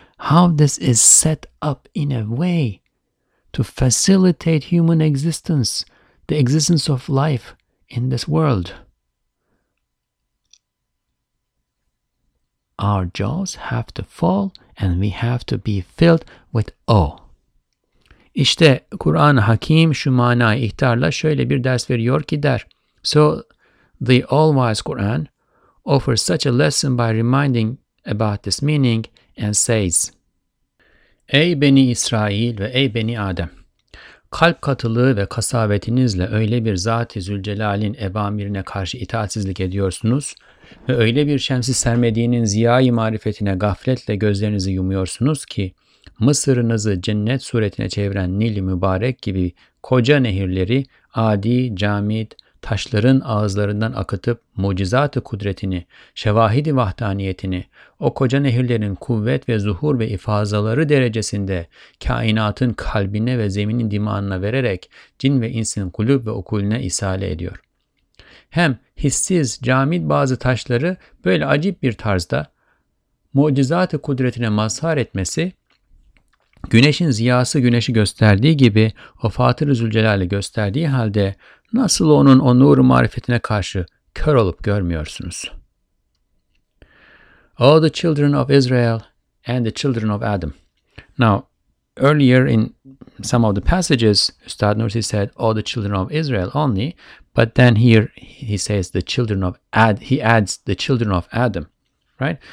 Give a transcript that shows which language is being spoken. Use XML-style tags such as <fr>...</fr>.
<en>How this is set up in a way to facilitate human existence, the existence of life in this world. Our jaws have to fall and we have to be filled with awe.</en> <tr>İşte Kur'an-ı Hakim şu manayı ihtarla şöyle bir ders veriyor ki der.</tr> <en>So the all-wise Quran offers such a lesson by reminding about this meaning and says,</en> <tr>Ey Beni İsrail ve ey Beni Adem! Kalp katılığı ve kasavetinizle öyle bir Zat-ı Zülcelal'in ebamirine karşı itaatsizlik ediyorsunuz ve öyle bir şemsi sermediğinin ziyai marifetine gafletle gözlerinizi yumuyorsunuz ki, Mısır'ınızı cennet suretine çeviren Nil-i Mübarek gibi koca nehirleri adi, camid, taşların ağızlarından akıtıp mucizat-ı kudretini, şevahid-i vahdaniyetini, o koca nehirlerin kuvvet ve zuhur ve ifazaları derecesinde kainatın kalbine ve zeminin dimağına vererek cin ve insin kulüp ve okulüne isale ediyor. Hem hissiz, camid bazı taşları böyle acip bir tarzda mucizat-ı kudretine mazhar etmesi, güneşin ziyası güneşi gösterdiği gibi o Fatır-ı Zülcelal'i gösterdiği halde nasıl onun o nur-u marifetine karşı kör olup görmüyorsunuz?</tr> <en>All the children of Israel and the children of Adam. Now, earlier in some of the passages, Üstad Nursi said all the children of Israel only, but then here he says the children of Adam, he adds the children of Adam, right?</en>